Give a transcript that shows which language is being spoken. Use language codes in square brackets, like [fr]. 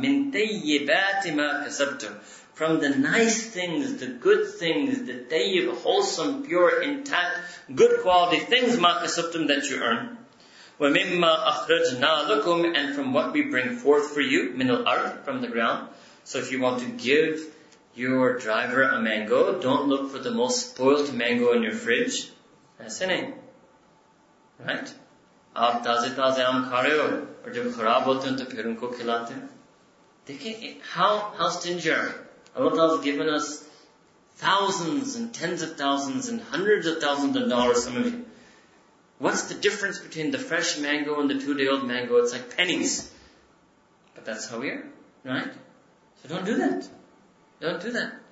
[ar] مِنْ طَيِّبَاتِ مَا كَسَبْتُمْ, [en] from the nice things, the good things, the tayyib, wholesome, pure, intact, good quality things, [ar] مَا كَسَبْتُمْ, [en] that you earn. [ar] وَمِمَّا أَخْرَجْنَا لَكُمْ, [en] and from what we bring forth for you, [ar] مِنَ الْأَرْضِ, [en] from the ground. So if you want to give your driver a mango, don't look for the most spoiled mango in your fridge. That's it. Right? [ur] آپ تازے تازے آم کھا رہے ہو, اور جب خراب ہوتے ہیں تو پھر ان کو کھلاتے ہیں. [en] Dekhiye, how stingy are we? Allah Ta'ala has given us thousands and tens of thousands and hundreds of thousands of dollars, some of you. What's the difference between the fresh mango and the 2-day-old mango? It's like pennies. But that's how we are, right? So don't do that. Don't do that.